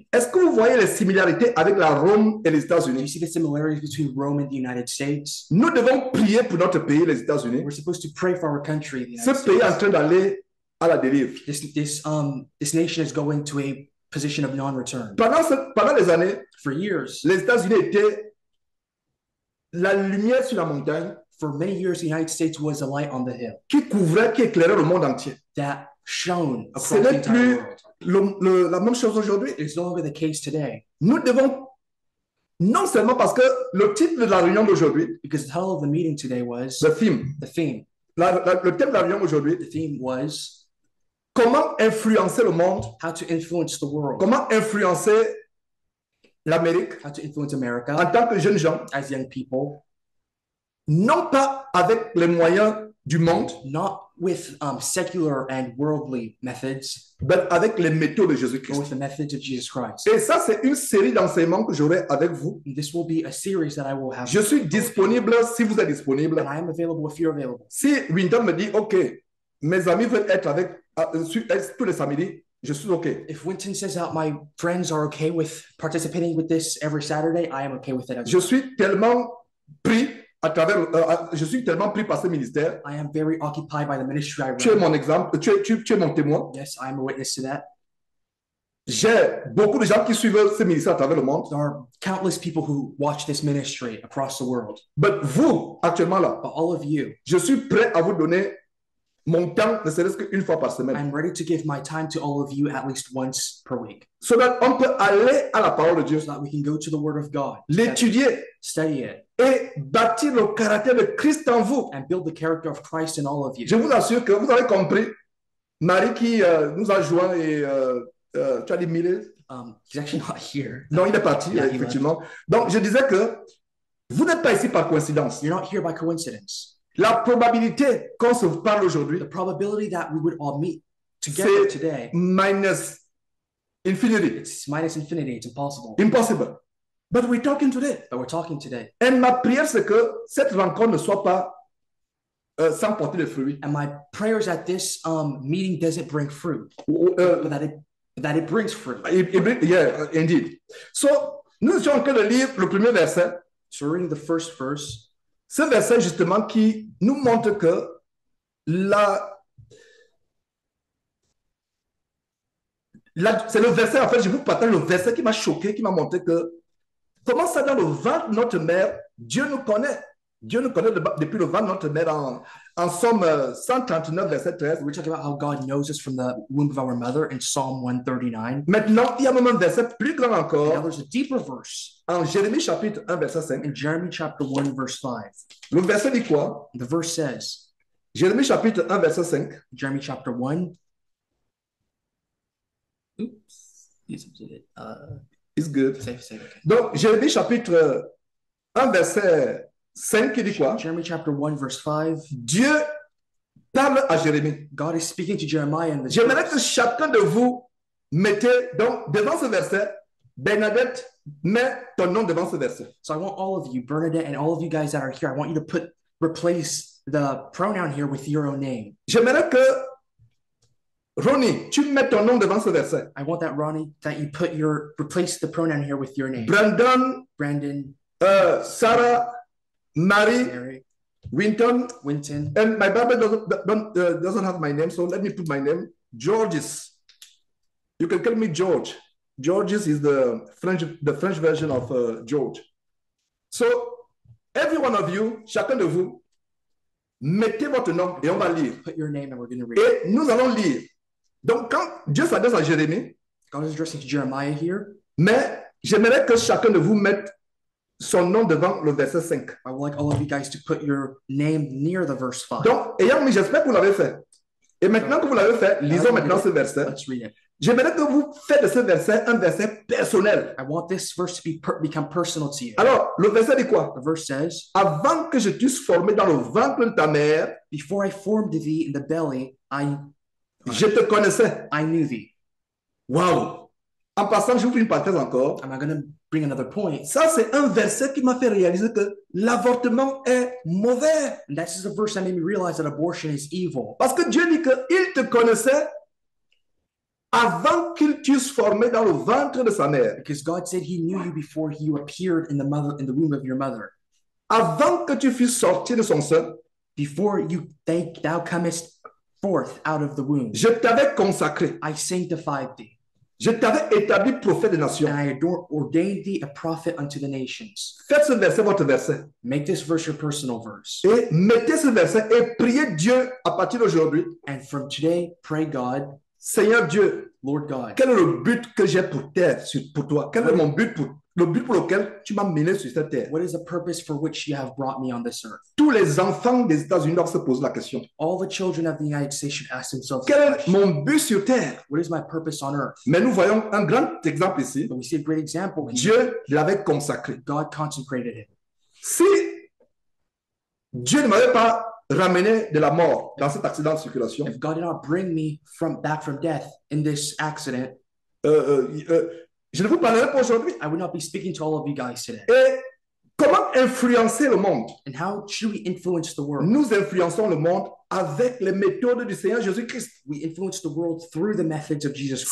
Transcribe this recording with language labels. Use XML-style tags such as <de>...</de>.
<fr>Est-ce que vous voyez les similarités avec la Rome et les États-Unis?</fr> <en>Do you see the similarities between Rome and the United States?</en> <fr>Nous devons prier pour notre pays, les États-Unis.</fr> <en>We're supposed to pray for our country, the United States.</en> <fr>Ce pays est en train d'aller à la dérive.</fr> <en>This nation is going to a position of non-return.</en> <fr>Pendant des années,</fr> <en>for years,</en> <fr>les États-Unis étaient la lumière sur la montagne.</fr> <en>For many years, the United States was a light on the hill.</en> <fr>Qui couvrait, qui éclairait le monde entier.</fr> <en>That shown across the entire world.</en> <fr>La même chose aujourd'hui.</fr> <en>It's no longer the case today.</en> <fr>Nous devons, non seulement parce que le titre de la réunion d'aujourd'hui,</fr> <en>because the title of the meeting today was the theme.</en> <fr>Le thème de la réunion aujourd'hui,</fr> <en>the theme was</en> <fr>comment influencer le monde,</fr> <en>how to influence the world,</en> <fr>comment influencer l'Amérique,</fr> <en>how to influence America,</en> <fr>en tant que jeunes gens,</fr> <en>as young people,</en> <fr>non pas avec les moyens du monde,</fr> <en>not with secular and worldly methods, but</en> <fr>avec les méthodes de Jésus Christ.</fr> <en>With the methods of Jesus Christ.</en> <fr>Et ça, c'est une série d'enseignements que j'aurai avec vous.</fr> <en>And this will be a series that I will have.</en> <fr>Je suis disponible si vous êtes disponible.</fr> <en>And I am available if you're available.</en> <fr>Si Winton me dit, OK, mes amis veulent être avec tous les samedis, je suis OK.</fr> <en>If Winton says that my friends are OK with participating with this every Saturday, I am OK with it.</en> <fr>Je suis tellement pris. Je suis tellement pris par ce ministère.</fr> <en>I am very occupied by the ministry I run.</en> <fr>Tu es mon exemple. Tu es mon témoin.</fr> <en>Yes, I am a witness to that.</en> <fr>J'ai beaucoup de gens qui suivent ce ministère à travers le monde.</fr> <en>There are countless people who watch this ministry across the world. But</en> <fr>vous, actuellement là.</fr> <en>But all of you.</en> <fr>Je suis prêt à vous donner mon temps, ne serait-ce qu'une fois par semaine.</fr> <en>I'm ready to give my time to all of you at least once per week. So that</en> <fr>on peut aller à la parole de Dieu.</fr> <en>So that we can go to the word of God.</en> <fr>L'étudier.</fr> <en>Study it.</en> <fr>Et bâtir le caractère de Christ en vous.</fr> <en>And build the character of Christ in all of you.</en> <fr>Je vous assure que vous avez compris. Marie qui nous a joint et tu as dit Miller.</fr> <en>He's actually not here.</en> <fr>Non, il est parti,</fr> <en>yeah,</en> <fr>effectivement. Donc, je disais que vous n'êtes pas ici par coïncidence.</fr> <en>You're not here by coincidence.</en> <fr>La probabilité qu'on se parle aujourd'hui,</fr> <en>the probability that we would all meet together today, minus infinity. It's minus infinity. It's impossible. Impossible. But we're talking today. But we're talking today.</en> <fr>Et ma prière, c'est que cette rencontre ne soit pas sans porter de fruits.</fr> <en>And my prayer is that this meeting doesn't bring fruit, but that it brings fruit. Indeed. So,</en> <fr>nous étions en train de lire le premier verset.</fr> <en>So we're reading the first verse.</en> <fr>Ce verset, justement, qui nous montre que c'est le verset, en fait, je vous partage le verset qui m'a choqué, qui m'a montré que comment ça, dans le ventre de notre mère, Dieu nous connaît. Dieu nous connaît depuis le ventre de notre mère en Psaume 139, verset 13.</fr> <en>We're talking about how God knows us from the womb of our mother in Psalm 139.</en> <fr>Maintenant, il y a même un verset plus grand encore.</fr> <en>Now there's a deeper verse.</en> <fr>En Jérémie chapitre 1, verset 5.</fr> <en>In Jeremy chapter 1, verse 5.</en> <fr>Le verset dit quoi?</fr> <en>The verse says.</en> <fr>Jérémie chapitre 1, verset 5.</fr> <en>Jeremy chapter 1. Oops. It's good. Save it. Okay.</en> <fr>Donc, Jérémie chapitre 1, verset 5, qui dit quoi?</fr> <en>Jeremy chapter 1, verse 5.</en> <fr>Dieu parle à Jérémie.</fr> <en>God is speaking to Jeremiah in this.</en> <fr>J'aimerais que chacun de vous mettez donc devant ce verset, Bernadette, mets ton nom devant ce verset.</fr> <en>So I want all of you, Bernadette, and all of you guys that are here, I want you to put, replace the pronoun here with your own name.</en> <fr>J'aimerais que Ronnie, tu mets ton nom devant ce verset.</fr> <en>I want that, Ronnie, that you put your, replace the pronoun here with your name. Brandon. Sarah. Mary. Winton. And my Bible doesn't have my name, so let me put my name. Georges. You can call me George. Georges is the French version of George. So, every one of you,</en> <fr>chacun de vous, mettez votre nom et on va lire.</fr> <en>Put your name and we're going to read.</en> <fr>Et nous allons lire. Donc, quand Dieu s'adresse à Jérémie,</fr> <en>God is addressing to Jeremiah here.</en> <fr>Mais j'aimerais que chacun de vous mette son nom devant le verset 5.</fr> <en>I would like all of you guys to put your name near the verse 5.</en> <fr>Donc, ayant mis, j'espère que vous l'avez fait. Et maintenant que vous l'avez fait, lisons maintenant ce verset.</fr> <en>Let's read it.</en> <fr>J'aimerais que vous faites de ce verset un verset personnel.</fr> <en>I want this verse to become personal to you.</en> <fr>Alors, le verset dit quoi?</fr> <en>The verse says,</en> <fr>avant que je t'eusse formé dans le ventre de ta mère,</fr> <en>before I formed thee in the belly,</en> <fr>je te connaissais.</fr> <en>I knew thee.</en> <fr>Wow! En passant, j'ouvre une parenthèse encore.</fr> <en>I'm not going to bring another point.</en> <fr>Ça, c'est un verset qui m'a fait réaliser que l'avortement est mauvais.</fr> <en>And that's the verse that made me realize that abortion is evil.</en> <fr>Parce que Dieu dit qu'il te connaissait avant qu'il t'eusse formé dans le ventre de sa mère.</fr> <en>Because God said he knew you before you appeared in the mother, in the womb of your mother.</en> <fr>Avant que tu fusses sorti de son sein.</fr> <en>Before you think thou comest forth out of the womb.</en> <fr>Je t'avais consacré.</fr> <en>I sanctified thee.</en> <fr>Je t'avais établi prophète des nations.</fr> <en>And I ordained thee a prophet unto the nations.</en> <fr>Faites ce verset votre verset.</fr> <en>Make this verse your personal verse.</en> <fr>Et mettez ce verset et priez Dieu à partir d'aujourd'hui.</fr> <en>And from today, pray God.</en> <fr>Seigneur Dieu,</fr> <en>Lord God,</en> <fr>quel est le but que j'ai pour terre, pour toi? Quel est mon but, pour le but pour lequel tu m'as mené sur cette terre?</fr> <en>What is the purpose for which you have brought me on this earth?</en> <fr>Tous les enfants des États-Unis doivent se poser la question.</fr> <en>All the children of the United States should ask themselves.</en> <fr>Quel est mon but sur terre?</fr> <en>What is my purpose on earth?</en> <fr>Mais nous voyons un grand exemple ici.</fr> <en>But we see a great example here.</en> <fr>Dieu l'avait consacré.</fr> <en>God consecrated him.</en> <fr>Si Dieu ne m'avait pas ramené de la mort dans cet accident de circulation.</fr> <en>If God did not bring me back from death in this accident,</en> <fr>je ne vous parlerai pas aujourd'hui.</fr> <en>I would not be speaking to all of you guys today.</en> <fr>Et comment influencer le monde?</fr> <en>And how should we influence the world?</en> <fr>Nous influençons le monde avec les méthodes du Seigneur Jésus Christ.</fr> <en>We influence the world through the methods of Jesus Christ.</en>